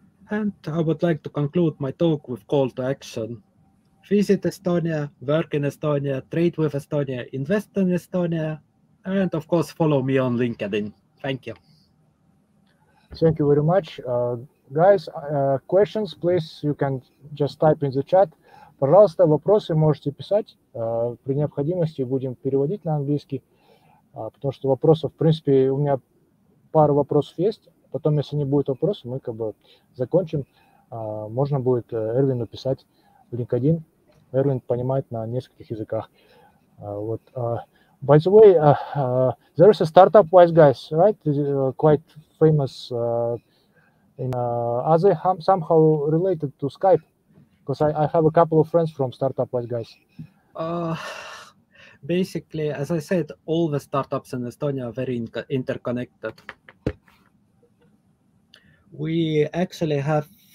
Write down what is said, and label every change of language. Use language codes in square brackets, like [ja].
[en] And I would like to conclude my talk with call to action. Visit Estonia, work in Estonia, trade with Estonia, invest in Estonia, and of course, follow me on LinkedIn. Thank you. Thank you very much. Guys, questions, please, you can just type in the chat. [ru] Пожалуйста, вопросы можете писать. При необходимости будем переводить на английский, потому что вопросов, в принципе, у меня пару вопросов есть. Потом, если не будет вопросов, мы как бы закончим. Можно будет Эрвину писать в LinkedIn. Эрвин понимает на нескольких языках. Вот. [en] By the way, there is a startup Wise Guys, right? Quite famous in Asia, somehow related to Skype. Because I have a couple of friends from Startup Wise Guys. Basically, as I said, all the startups in Estonia are very interconnected. We actually have